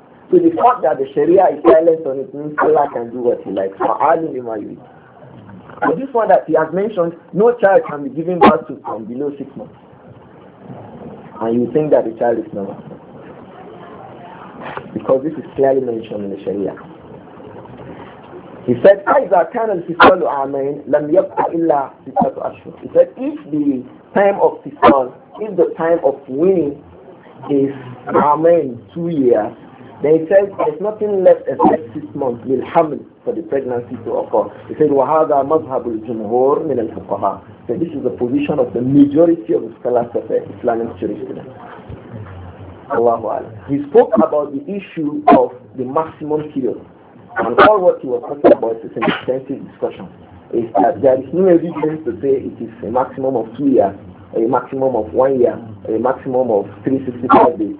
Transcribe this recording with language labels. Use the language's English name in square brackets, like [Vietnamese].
[English] So the fact that the Sharia is silent on it means Allah can do what he likes. For adding him, but this one that he has mentioned, no child can be given birth to from below 6 months. And you think that the child is normal. Because this is clearly mentioned in the Sharia. He said, [Arabic] إِذَا كَانَ الْفِصَالُ عَمَيْنِ لَمْ يَبْقَ إِلَّا 6 أشهر. [English] He said, if the time of fisal, if the time of weaning is عَمَيْن, 2 years, then he says, there's nothing left except 6 months, لِلْحَمْلِ, for the pregnancy to occur. He said, [Arabic] وَهَذَا مَذْهَبُ الْجُمْهُورِ مِنَ الْفُقَهَا. [English] He said, this is the position of the majority of the scholars of Islamic jurisprudence. Allahu Akbar. He spoke about the issue of the maximum period. And all what he was talking about is an extensive discussion. Is that there is no evidence to say it is a maximum of 2 years, a maximum of 1 year, a maximum of 365 days.